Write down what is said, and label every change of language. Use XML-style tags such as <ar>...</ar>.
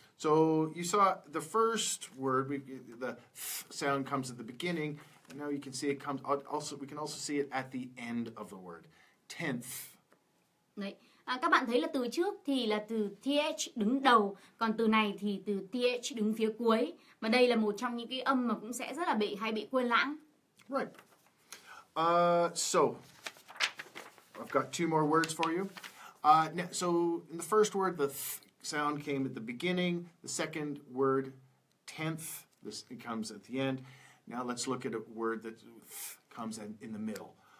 <en>So you saw the first word, the th sound comes at the beginning, and now you can see it comes, also we can also see it at the end of the word. Tenth.</en> <vi>Đấy. Các bạn thấy là từ trước thì là từ TH đứng đầu, còn từ này thì từ TH đứng phía cuối. Mà đây là một trong những cái âm mà cũng sẽ rất là hay bị quên lãng.</vi> <en>Right. So, I've got two more words for you. So, in the first word, the th sound came at the beginning. The second word, tenth, this comes at the end. Now let's look at a word that comes in the middle.</en>